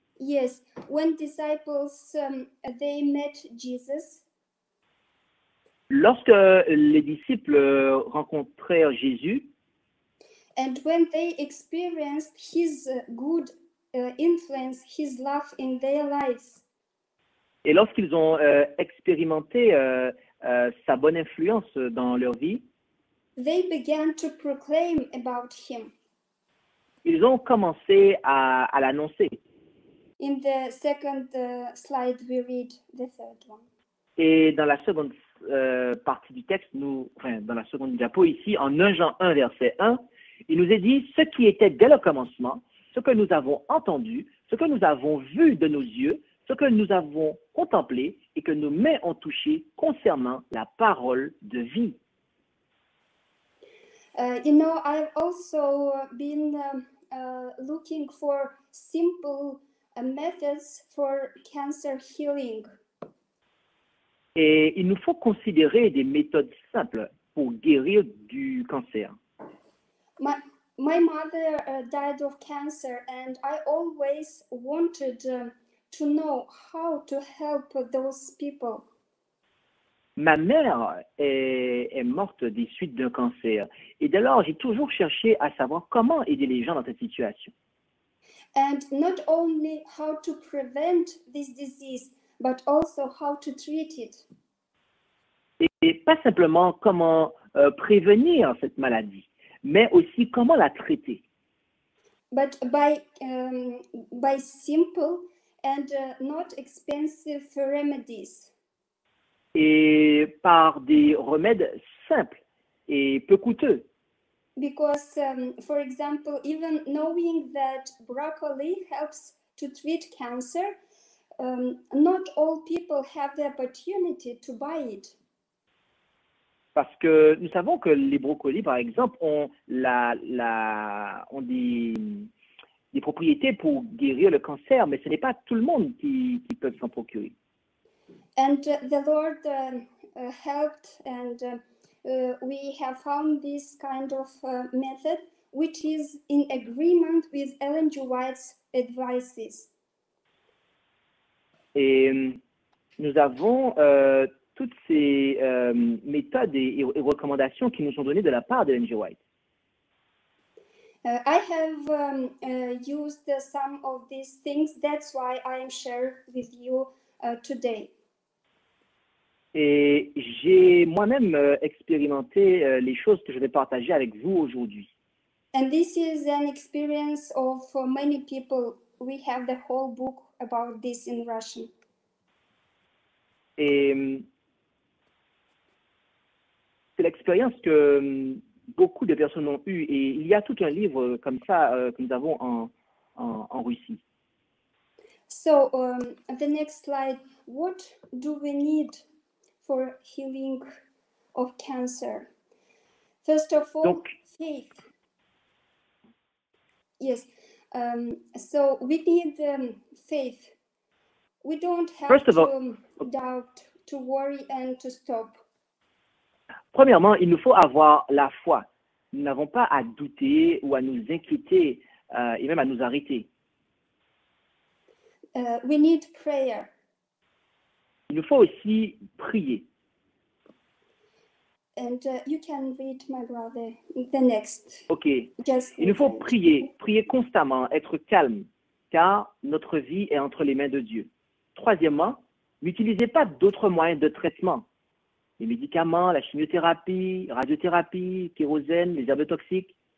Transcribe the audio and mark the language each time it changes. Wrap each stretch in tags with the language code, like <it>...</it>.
<en>Yes, when disciples they met Jesus.</en> <fr>Lorsque les disciples rencontrèrent Jésus.</fr> <en>And when they experienced his good influence, his love in their lives.</en> <fr>Et lorsqu'ils ont expérimenté sa bonne influence dans leur vie.</fr> <en>They began to proclaim about him.</en> <fr>Ils ont commencé à l'annoncer.</fr> <en>In the second slide, we read the third one.</en> <fr>Et dans la seconde partie du texte, nous, enfin, dans la seconde diapo ici, en 1 Jean 1, verset 1, il nous est dit « Ce qui était dès le commencement, ce que nous avons entendu, ce que nous avons vu de nos yeux, ce que nous avons contemplé et que nos mains ont touché concernant la parole de vie. »</fr> <en>You know, I've also been looking for simple methods for cancer healing.</en> <fr>Et il nous faut considérer des méthodes simples pour guérir du cancer.</fr> <en>My mother died of cancer and I always wanted to know how to help those people.</en> <fr>Ma mère est morte des suites d'un cancer. Et dès lors, j'ai toujours cherché à savoir comment aider les gens dans cette situation.</fr> <en>And not only how to prevent this disease, but also how to treat it.</en> <fr>Et pas simplement comment prévenir cette maladie, mais aussi comment la traiter.</fr> <en>But by simple and not expensive remedies.</en> <fr>Et par des remèdes simples et peu coûteux.</fr> <en>Because, for example, even knowing that broccoli helps to treat cancer, not all people have the opportunity to buy it.</en> <fr>Parce que nous savons que les brocolis, par exemple, ont des propriétés pour guérir le cancer, mais ce n'est pas tout le monde qui peut s'en procurer.</fr> <en>And the Lord helped, and we have found this kind of method, which is in agreement with Ellen G. White's advices.</en> <fr>Et nous avons toutes ces méthodes et recommandations qui nous sont données de la part d'Ellen G. White.</fr> <en>I have used some of these things. That's why I am sharing with you today.</en> <fr>Et j'ai moi-même expérimenté les choses que je vais partager avec vous aujourd'hui.</fr> <en>And this is an experience of many people. We have the whole book about this in Russian.</en> <fr>Et c'est l'expérience que beaucoup de personnes ont eue. Et il y a tout un livre comme ça que nous avons en Russie.</fr> <en>So, the next slide. What do we need for healing of cancer? First of all, donc, faith. Yes. So we need faith. We don't have first of to all, doubt, to worry, and to stop.</en> <fr>Premièrement, il nous faut avoir la foi. Nous n'avons pas à douter ou à nous inquiéter et même à nous arrêter.</fr> <en>We need prayer.</en> <fr>Il nous faut aussi prier.</fr> <en>And you can read, my brother, the next. Ok.</en> <fr>Il nous faut prier, prier constamment, être calme, car notre vie est entre les mains de Dieu. Troisièmement, n'utilisez pas d'autres moyens de traitement. Les médicaments, la chimiothérapie, radiothérapie, kérosène, les herbes toxiques.</fr>